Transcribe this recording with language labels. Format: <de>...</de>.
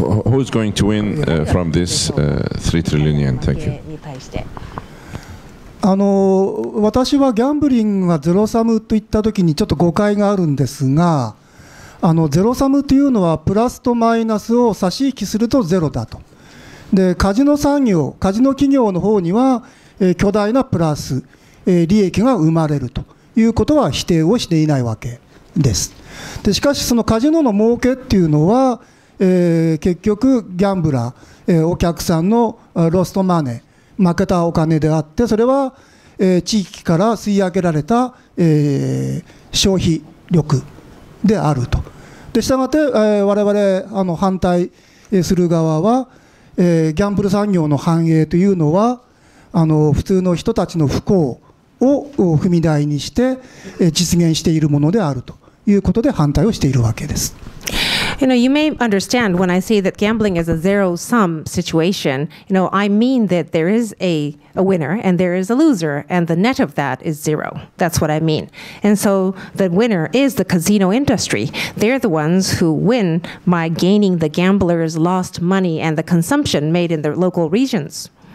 <en>Who's going to win from this 3 trillion yen? Thank you.</en> <ja>私はギャンブリングがゼロサムと言ったときにちょっと誤解があるんですが、あのゼロサムというのはプラスとマイナスを差し引きするとゼロだと。でカジノ産業、カジノ企業の方には、巨大なプラス、利益が生まれるということは否定をしていないわけです。でしかしそのカジノの儲けっていうのは、結局ギャンブラー、お客さんのロストマネー、負けたお金であって、それは、地域から吸い上げられた、消費力であると。でしたがって、我々あの反対する側は、ギャンブル産業の繁栄というのはあの普通の人たちの不幸を踏み台にして、実現しているものであるということで反対をしているわけです。</ja> <en>You know, you may understand when I say that gambling is a zero-sum situation. You know, I mean that there is a winner and there is a loser, and the net of that is zero. That's what I mean. And so the winner is the casino industry. They're the ones who win by gaining the gambler's lost money and the consumption made in their local regions.</en>